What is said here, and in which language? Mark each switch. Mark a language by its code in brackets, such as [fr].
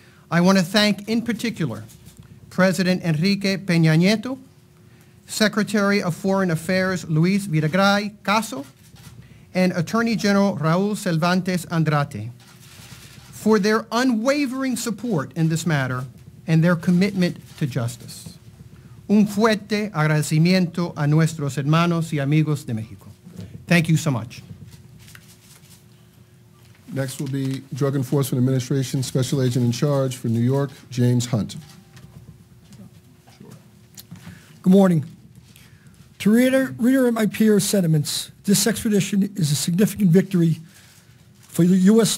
[en] I want to thank, in particular, President Enrique Peña Nieto, Secretary of Foreign Affairs Luis Videgaray Caso, and Attorney General Raul Cervantes Andrade for their unwavering support in this matter and their commitment to justice. [es] Un fuerte agradecimiento a nuestros hermanos y amigos de México. [en] Thank you so much. Next will be Drug Enforcement Administration Special Agent in Charge for New York, James Hunt. Good morning. To reiterate my peers' sentiments, this extradition is a significant victory for the U.S.